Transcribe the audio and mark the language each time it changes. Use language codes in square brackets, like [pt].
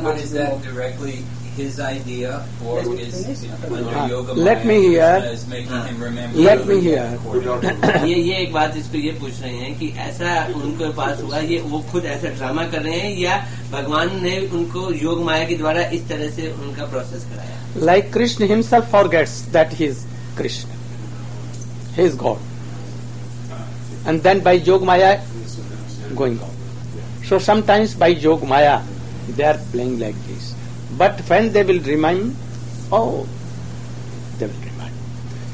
[en] But is that directly his idea, or is let me hear. Let me hear. [hi] ये एक बात इसको ये पूछ रहे हैं कि ऐसा उनके पास हुआ ये वो खुद ऐसा ड्रामा कर रहे हैं या भगवान ने उनको योग माया के द्वारा इस तरह से उनका प्रोसेस कराया. [en] Like Krishna himself forgets that he is Krishna. He is God. And then by yoga maya, going on. So sometimes by yoga maya, they are playing like this. But when they will remind, oh, they will remind.